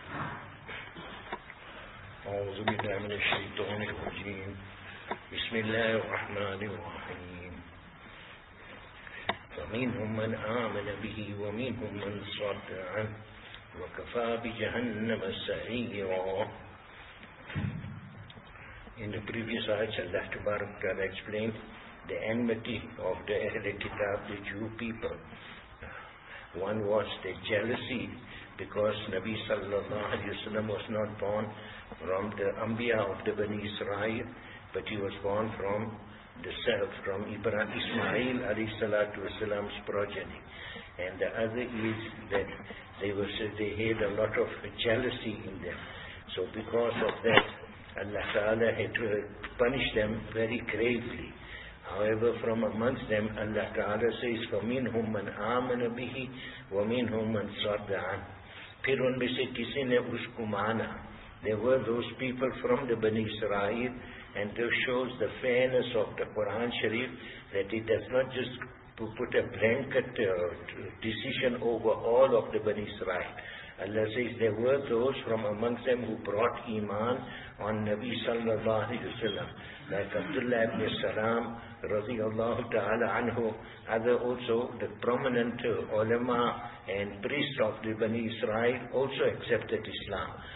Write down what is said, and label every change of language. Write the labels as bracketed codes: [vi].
[ar] أعوذ بالله من الشيطان الرجيم. بسم الله الرحمن الرحيم. فمنهم من آمن به ومنهم من صد عنه وكفى بجهنم سعيرا. [en] In the previous ayat, Allah Ta'ala explained the enmity of the Ahlul Kitab, the Jew people. One was the jealousy because Nabi Sallallahu Alaihi Wasallam was not born from the Anbiya of the Bani Israel, but he was born from the self, from Ismail Alayhi Salatu Wasallam's progeny. And the other is that they had a lot of jealousy in them. So because of that, Allah Ta'ala had to punish them very gravely. However, from amongst them, Allah Ta'ala says, [ar] فَمِنْهُمْ مَنْ آمَنَ بِهِ وَمِنْهُمْ مَنْ صَدَّ عَنْ. [ur] پھر ان میں سے کسی نے اس کو مانا. [en] There were those people from the Bani Israel, and this shows the fairness of the Quran Sharif, that it does not just put a blanket decision over all of the Bani Israel. Allah says, there were those from amongst them who brought Iman on Nabi sallallahu alayhi wa sallam, like Abdullah ibn Salam, radiallahu ta'ala anhu, other also the prominent ulama and priest of the Bani Israel also accepted Islam.